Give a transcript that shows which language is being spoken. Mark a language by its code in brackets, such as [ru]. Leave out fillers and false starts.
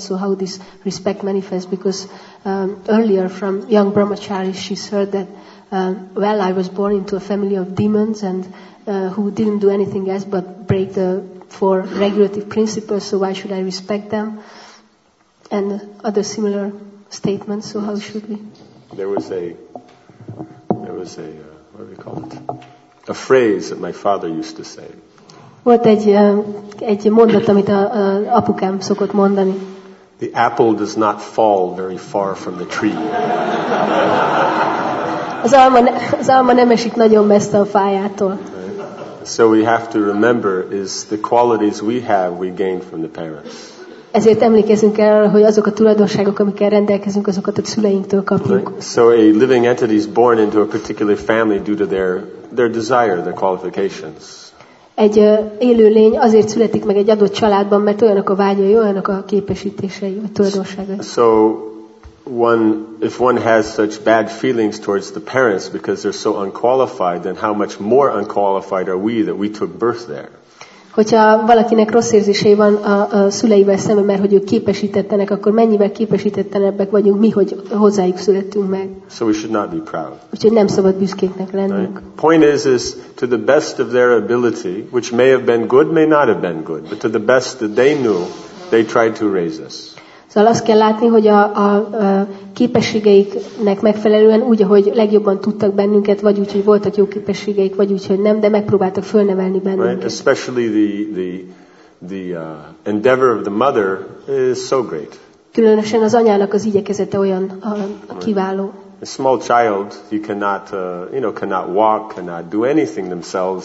[en] So how this respect manifests? Because earlier, from young brahmacharis, she heard that, well, I was born into a family of demons and who didn't do anything else but break the 4 regulative principles. So why should I respect them? And other similar statements. So how should we? There was a phrase that my father used to say. [hu] Volt egy mondat, amit a apukám szokott mondani. [en] The apple does not fall very far from the tree. [hu] Az alma nem esik nagyon messze a fájától. [en] So we have to remember is the qualities we gain from the parents. [hu] Ezért emlékezünk el arra, hogy azok a tulajdonságok, amikkel rendelkezünk, azokat a szüleinktől kapjuk. [en] So a living entity is born into a particular family due to their desire, their qualifications. [hu] Egy élő lény azért születik meg egy adott családban, mert olyanok a vágyai, olyanok a képesítései, a tulajdonságai. [en] So if one has such bad feelings towards the parents because they're so unqualified, then how much more unqualified are we that we took birth there? [hu] Hogyha valakinek rossz érzései van a szüleivel szemben, mert hogy ők képesítettenek, akkor mennyivel képesítettenebbek vagyunk mi, hogy hozzájuk születtünk meg. [en] So we should not be proud. [hu] Úgyhogy nem szabad büszkéknek lennünk. [en] Right. Point is to the best of their ability, which may have been good, may not have been good, but to the best that they knew, they tried to raise us. [hu] Szóval azt kell látni, hogy a képességeiknek megfelelően úgy, ahogy legjobban tudtak bennünket, vagy úgy, hogy voltak jó képességeik, vagy úgy, hogy nem, de megpróbáltak fölnevelni bennünket. [en] Right. Especially the endeavor of the mother is so great. [hu] Különösen az anyának az igyekezete olyan a kiváló. [en] A small child, you cannot, you know, cannot walk, cannot do anything themselves.